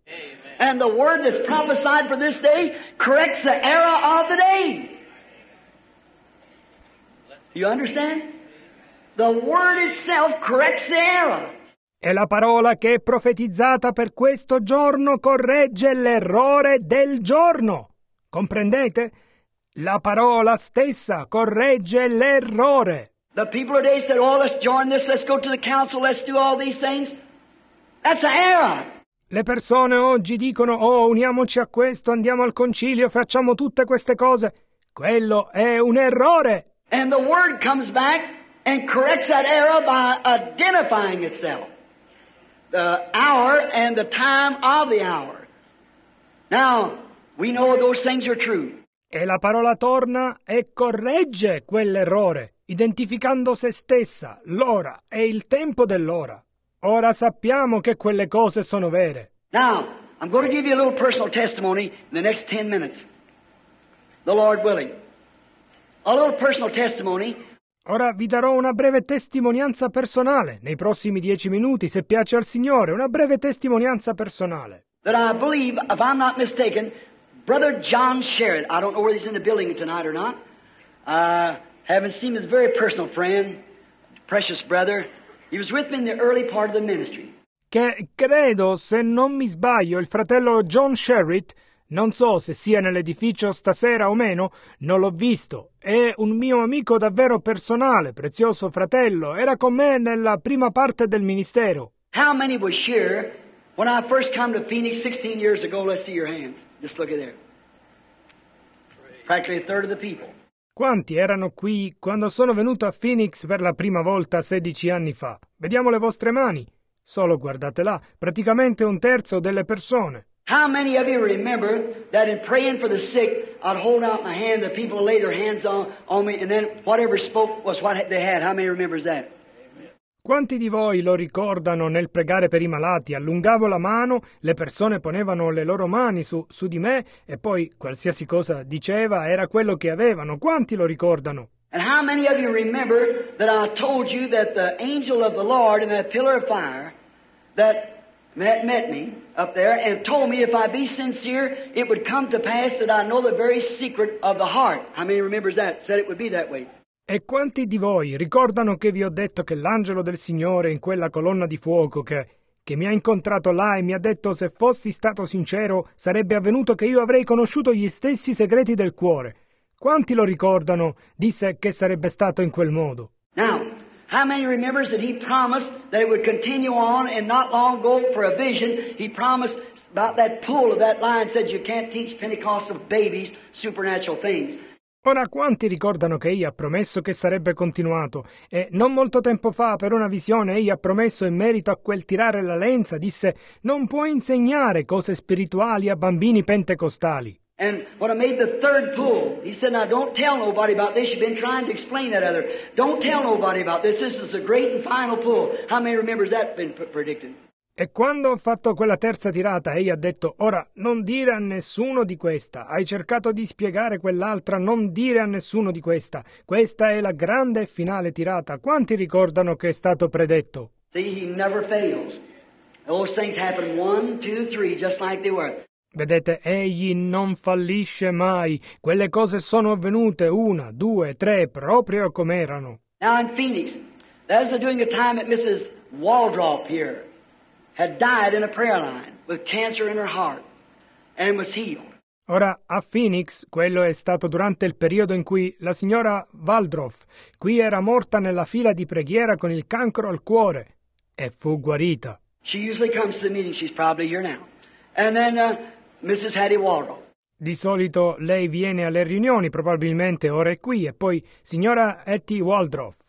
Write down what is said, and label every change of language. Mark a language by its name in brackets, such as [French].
[English] Amen. And the word that's prophesied for this day corrects the error of the day. You understand? The word itself corrects the error. [Italian] E la parola che è profetizzata per questo giorno corregge l'errore del giorno. Comprendete? La parola stessa corregge l'errore. [English] The people today said, oh, let's join this, let's go to the council, let's do all these things. That's an error. [Italian] Le persone oggi dicono, oh, uniamoci a questo, andiamo al concilio, facciamo tutte queste cose. Quello è un errore. [English] And the word comes back and corrects that error by identifying itself. The hour and the time of the hour. Now, we know those things are true. [Italian] E la parola torna e corregge quell'errore, identificando se stessa, l'ora e il tempo dell'ora. Ora sappiamo che quelle cose sono vere. [English] Now, I'm going to give you a little personal testimony in the next 10 minutes. The Lord willing. A little personal testimony. [Italian] Ora vi darò una breve testimonianza personale, nei prossimi 10 minuti, se piace al Signore, una breve testimonianza personale. [English] That I believe, if I'm not mistaken, Brother John Sherrod, I don't know whether he's in the building tonight or not, haven't seen his very personal friend, precious brother, he was with me in the early part of the ministry. [Italian] Che credo, se non mi sbaglio, il fratello John Sherrod, non so se sia nell'edificio stasera o meno, non l'ho visto. È un mio amico davvero personale, prezioso fratello. Era con me nella prima parte del ministero. [English] How many was here when I first came to Phoenix 16 years ago? Let's see your hands. Just look at there. Practically a third of the people. [Italian] Quanti erano qui quando sono venuto a Phoenix per la prima volta 16 anni fa? Vediamo le vostre mani. Solo guardate là. Praticamente un terzo delle persone. [English] How many of you remember that in praying for the sick, I'd hold out my hand, the people would lay their hands on me, and then whatever spoke was what they had. How many remembers that? [Italian] Quanti di voi lo ricordano nel pregare per i malati? Allungavo la mano, le persone ponevano le loro mani su di me, e poi qualsiasi cosa diceva era quello che avevano. Quanti lo ricordano? [English] And how many of you remember that I told you that the angel of the Lord in that pillar of fire, that Matt met me up there and told me if I be sincere, it would come to pass that I know the very secret of the heart. How many remembers that? Said it would be that way. [Italian] E quanti di voi ricordano che vi ho detto che l'angelo del Signore in quella colonna di fuoco che mi ha incontrato là e mi ha detto se fossi stato sincero sarebbe avvenuto che io avrei conosciuto gli stessi segreti del cuore. Quanti lo ricordano? Disse che sarebbe stato in quel modo. [English] Now, how many remembers that he promised that it would continue on and not long go for a vision? He promised about that pull of that line, said you can't teach Pentecostal babies supernatural things. [Italian] Ora quanti ricordano che egli ha promesso che sarebbe continuato? E non molto tempo fa, per una visione, egli ha promesso in merito a quel tirare la lenza, disse, non puoi insegnare cose spirituali a bambini pentecostali. [English] And when I made the third pull, he said, now don't tell nobody about this. You've been trying to explain that other. Don't tell nobody about this. This is a great and final pull. How many remembers that been predicted? [Italian] E quando ho fatto quella terza tirata, egli ha detto, ora, non dire a nessuno di questa. Hai cercato di spiegare quell'altra, non dire a nessuno di questa. Questa è la grande e finale tirata. Quanti ricordano che è stato predetto? [English] See, he never fails. Those things happen one, two, three, just like they were. [Italian] Vedete, egli non fallisce mai. Quelle cose sono avvenute una, due, tre, proprio come erano. [English] Now in Phoenix, there's a doing a time at Mrs. Waldrop here. Had died in a prayer line with cancer in her heart and was healed. [Italian] Ora a Phoenix, quello è stato durante il periodo in cui la signora Waldrop qui era morta nella fila di preghiera con il cancro al cuore e fu guarita. [English] She usually comes to the meeting, she's probably here now. And then Mrs. Hattie Waldrop. [Italian] Di solito lei viene alle riunioni, probabilmente ora è qui, e poi signora Hattie Waldrop.